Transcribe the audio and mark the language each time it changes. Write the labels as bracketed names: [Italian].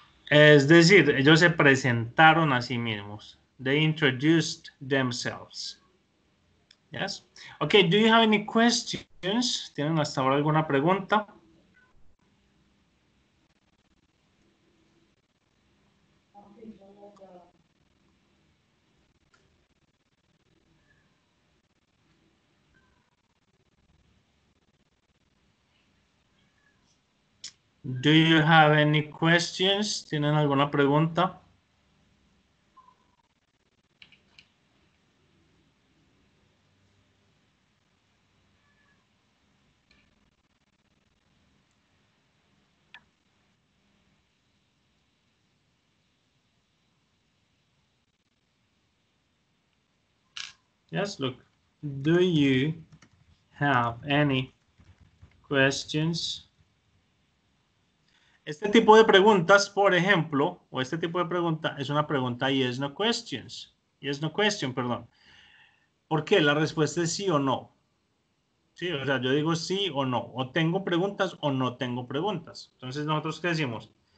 [Spanish] Es decir, ellos se presentaron a sí mismos. [English] They introduced themselves. Yes. Okay, do you have any questions? [Spanish] ¿Tienen hasta ahora alguna pregunta? [English] Do you have any questions? [Spanish] ¿Tienen alguna pregunta? [English] Yes, look. Do you have any questions? [Spanish] Este tipo de preguntas, por ejemplo, o este tipo de pregunta es una pregunta [English] yes, no questions. Yes, no question, [Spanish] perdón. ¿Por qué? La respuesta es sí o no. Sí, o sea, yo digo sí o no. O tengo preguntas o no tengo preguntas. Entonces, ¿nosotros qué decimos?